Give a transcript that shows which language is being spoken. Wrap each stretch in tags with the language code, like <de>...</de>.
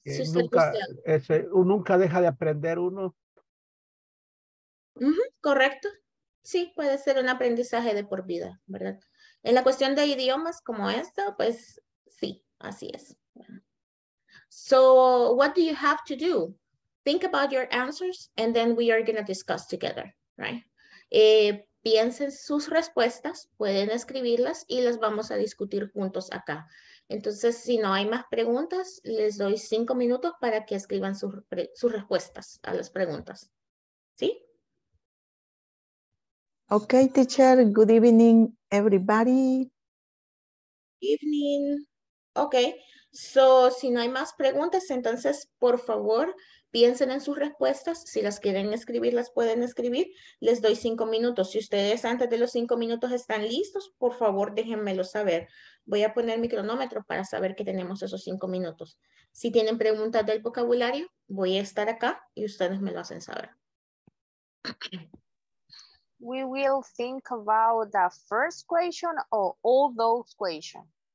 <es>Si usted nunca, nunca deja de aprender uno. Uh-huh, correcto. Sí, puede ser un aprendizaje de por vida, ¿verdad? En la cuestión de idiomas como esto, pues sí, así es.</es> <en>So, what do you have to do? Think about your answers and then we are going to discuss together, right?</en> <es>Piensen sus respuestas, pueden escribirlas y las vamos a discutir juntos acá. Entonces, si no hay más preguntas, les doy 5 minutos para que escriban sus respuestas a las preguntas. ¿Sí?</es> <en>Okay, teacher. Good evening, everybody. Evening. Okay.</en> <es>So, si no hay más preguntas, entonces, por favor, piensen en sus respuestas. Si las quieren escribir, las pueden escribir. Les doy 5 minutos. Si ustedes antes de los 5 minutos están listos, por favor, déjenmelo saber. Voy a poner mi cronómetro para saber que tenemos esos 5 minutos. Si tienen preguntas del vocabulario, voy a estar acá y ustedes me lo hacen saber.</es> <en>We will think about the first question or all those questions?</en>